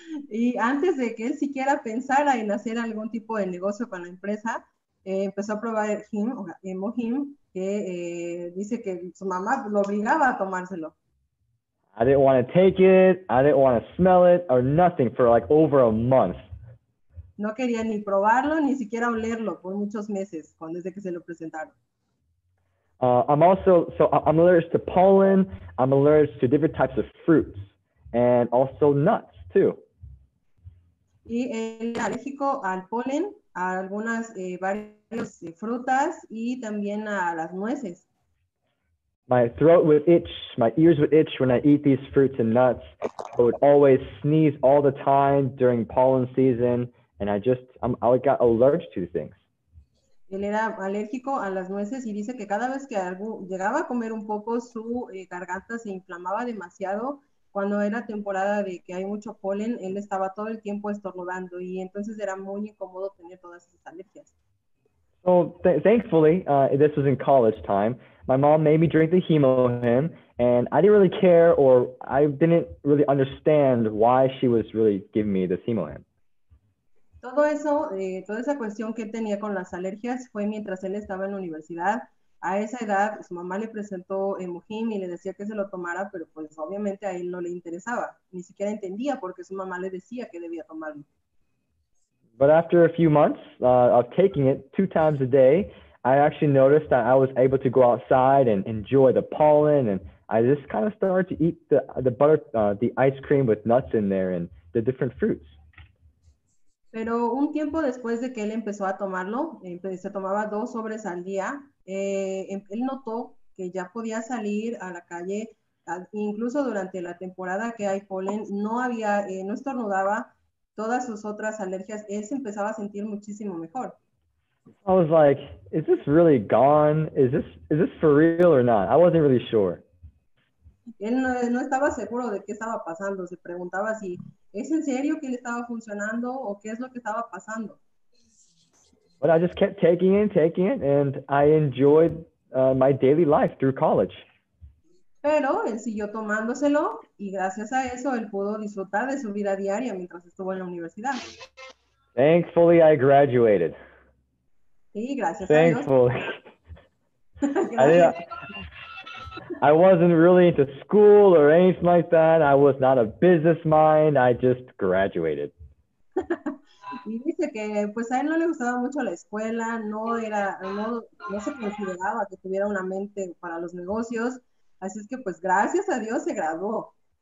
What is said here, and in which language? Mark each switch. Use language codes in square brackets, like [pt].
[es] Y antes de que él siquiera pensara en hacer algún tipo de negocio con la empresa, empezó a probar Hemohem, que dice que su mamá lo obligaba a tomárselo. [en] I didn't want to take it, I didn't want to smell it, or nothing for like over a month. [es] No quería ni probarlo, ni siquiera olerlo por muchos meses, desde que se lo presentaron. [en] I'm allergic to pollen, I'm allergic to different types of fruits, and also nuts, too. [es] Y él es alérgico al polen, a algunas varias frutas, y también a las nueces. [en] My throat would itch, my ears would itch when I eat these fruits and nuts. I would always sneeze all the time during pollen season. And I got allergic to things. [es] Él era alérgico a las nueces y dice que cada vez que llegaba a comer un poco, su garganta se inflamaba demasiado. Cuando era temporada de que hay mucho polen, él estaba todo el tiempo estornudando y entonces era muy incómodo tener todas esas alergias. [en] So, thankfully, this was in college time. My mom made me drink the Hemohem and I didn't really care or I didn't really understand why she was really giving me this Hemohem. [es] Todo eso, toda esa cuestión que tenía con las alergias fue mientras él estaba en la universidad. A esa edad, su mamá le presentó Hemohem y le decía que se lo tomara, pero pues obviamente a él no le interesaba. Ni siquiera entendía por qué su mamá le decía que debía tomarlo. [en] But after a few months of taking it two times a day, I actually noticed that I was able to go outside and enjoy the pollen, and I just kind of started to eat the ice cream with nuts in there and the different fruits. [es] Pero un tiempo después de que él empezó a tomarlo, se tomaba dos sobres al día, él notó que ya podía salir a la calle, incluso durante la temporada que hay polen, no estornudaba, todas sus otras alergias, él se empezaba a sentir muchísimo mejor. [en] I was like, is this really gone? Is this for real or not? I wasn't really sure. [es] Él no estaba seguro de qué estaba pasando, se preguntaba si... ¿Es en serio que le estaba funcionando o qué es lo que estaba pasando? [en] But I just kept taking it, and I enjoyed my daily life through college. [es] Pero él siguió tomándoselo, y gracias a eso él pudo disfrutar de su vida diaria mientras estuvo en la universidad. [en] Thankfully, I graduated. [es] Sí, gracias [en] Thankfully. [es] A Dios. Gracias. [en] I wasn't really into school or anything like that. I was not a business mind. I just graduated. [es] Y dice que pues a él no le gustaba mucho la escuela, no se consideraba que tuviera una mente para los negocios. Así es que pues gracias a Dios se graduó.